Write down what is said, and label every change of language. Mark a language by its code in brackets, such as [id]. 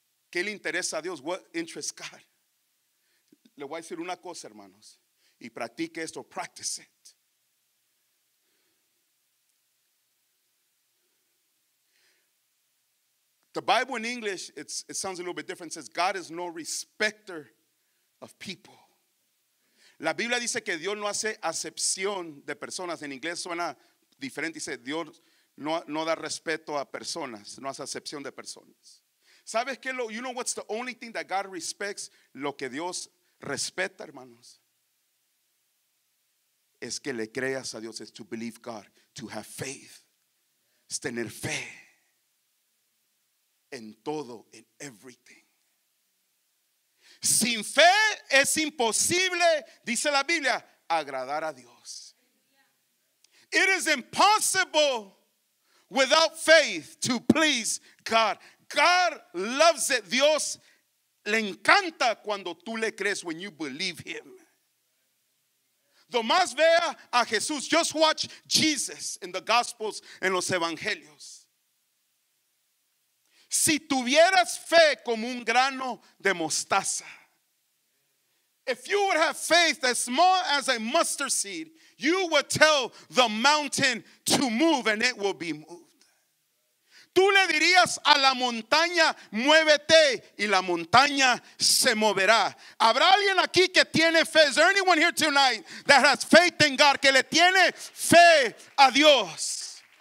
[es] ¿Qué le interesa a Dios? [en] What interests God? [es] Le voy a decir una cosa, hermanos. Y practique esto, [en] practice it. The Bible in English, it sounds a little bit different. It says, God is no respecter of people. [es] La Biblia dice que Dios no hace acepción de personas. En inglés suena diferente. Dice, Dios no da respeto a personas. No hace acepción de personas. ¿Sabes qué? [en] You know what's the only thing that God respects? [es] Lo que Dios respeta, hermanos. Es que le creas a Dios. Es [en] to believe God. To have faith. [es] Es tener fe. En todo, en [en] everything. [es] Sin fe es imposible, dice la Biblia, agradar a Dios. [en] It is impossible without faith to please God. God loves it. [es] Dios le encanta cuando tú le crees, [en] when you believe him. [es] Tomás vea a Jesús. [en] Just watch Jesus in the Gospels, [es] en los Evangelios. Si tuvieras fe como un grano de mostaza. [en] If you would have faith as small as a mustard seed, you would tell the mountain to move and it will be moved. [es] Tú le dirías a la montaña, muévete, y la montaña se moverá. ¿Habrá alguien aquí que tiene fe? [en] Is there anyone here tonight that has faith in God, [es] que le tiene fe a Dios?